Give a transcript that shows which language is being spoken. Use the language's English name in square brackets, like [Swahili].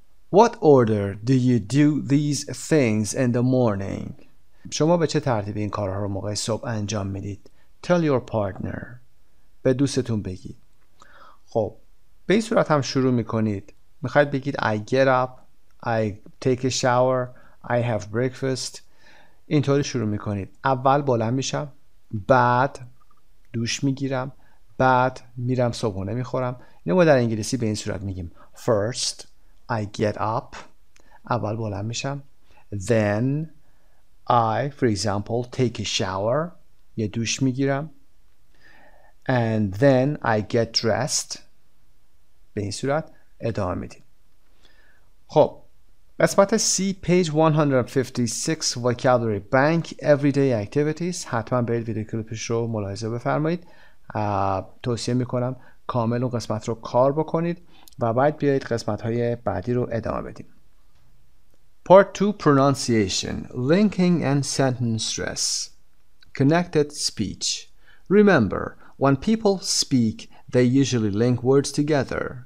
[English] What order do you do these things in the morning? [Persian] شما به چه ترتیبی این کارها رو موقع صبح انجام میدید؟ [English] Tell your partner. [Persian] به دوستتون بگید. خب به این صورت هم شروع میکنید. میخواید بگید [English] I get up, I take a shower, I have breakfast. [Persian] اینطوری شروع میکنید. اول بلند میشم، بعد دوش میگیرم، بعد میرم صبحونه میخورم. اینو ما در انگلیسی به این صورت میگیم [English] First I get up. [Persian] اول بلند میشم. [English] Then I, for example, take a shower. [Persian] یه دوش میگیرم. [English] And then I get dressed. [Persian] به این صورت ادامه میدیم. خب قسمت [English] C page 156 vocabulary bank everyday activities. [Persian] حتما برید ویدیو کلیپش رو ملاحظه بفرمایید. توصیه میکنم کامل اون قسمت رو کار بکنید و بعد بیایید قسمت های بعدی رو ادامه بدیم. [English] Part 2 pronunciation, linking and sentence stress, connected speech. Remember, when people speak, they usually link words together.